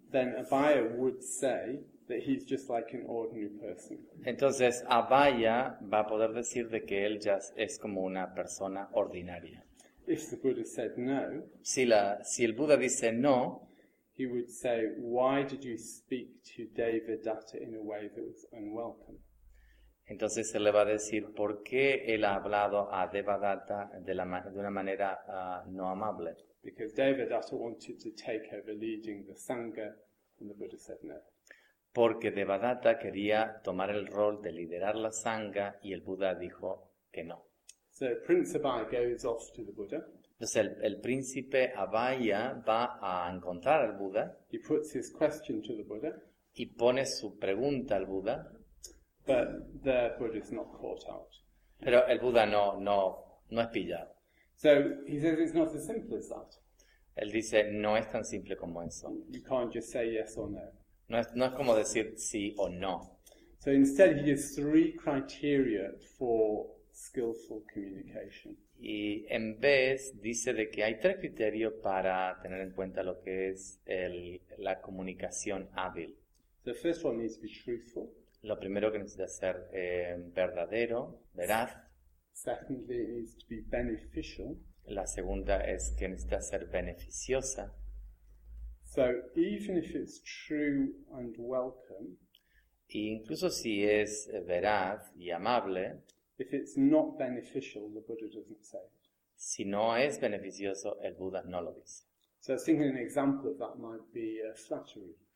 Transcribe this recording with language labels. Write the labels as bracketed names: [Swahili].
[English] then Abhaya would say that he's just like an ordinary person. [Spanish] Entonces Abhaya va a poder decir de que él ya es como una persona ordinaria. [English] If the Buddha said no, [Spanish] si el Buda dice no, [English] he would say, why did you speak to Devadatta in a way that was unwelcome? [Spanish] Entonces él le va a decir, ¿por qué él ha hablado a Devadatta de una manera no amable? [English] Because Devadatta wanted to take over leading the Sangha, and the Buddha said no. [Spanish] Porque Devadatta quería tomar el rol de liderar la Sangha, y el Buddha dijo que no. [English] So Prince Abhaya goes off to the Buddha. [Spanish] Entonces el príncipe Abhaya va a encontrar al Buda. [English] He puts his question to the Buddha. [Spanish] Y pone su pregunta al Buda. [English] But the Buddha is not caught out. [Spanish] Pero el Buda no es pillado. [English] So he says it's not as simple as that. [Spanish] Él dice no es tan simple como eso. [English] You can't just say yes or no. [Spanish] No es como decir sí o no. [English] So instead he gives three criteria for skillful communication. [Spanish] Y en vez dice de que hay tres criterios para tener en cuenta lo que es la comunicación hábil. [English] The first one needs to be truthful. [Spanish] Lo primero que necesita ser verdadero, veraz. [English] Secondly, it needs to be beneficial. [Spanish] La segunda es que necesita ser beneficiosa. [English] So, even if it's true and welcome, [Spanish] e incluso si es veraz y amable, [English] if it's not beneficial, the Buddha doesn't say it. [Spanish] Si no es beneficioso, el Buddha no lo dice. [English] So, thinking an example of that might be flattery.